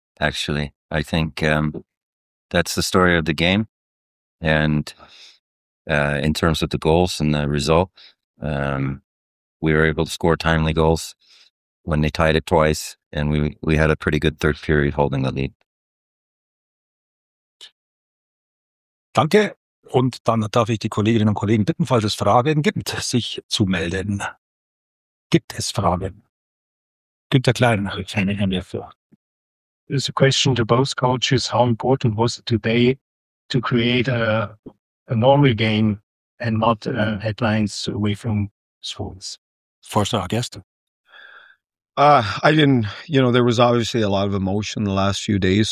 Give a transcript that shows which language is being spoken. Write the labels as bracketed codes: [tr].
[en] Actually, I think that's the story of the game, and in terms of the goals and the result, we were able to score timely goals when they tied it twice, and we had a pretty good third period holding the lead. [de] Danke. Und dann darf ich die Kolleginnen und Kollegen bitten, falls es Fragen gibt, sich zu melden. Gibt es Fragen? Günther Klein, keine haben wir für. [en] There's a question to both coaches. How important was it today to create a normal game and not headlines away from sports? First, our guest. I didn't, there was obviously a lot of emotion the last few days.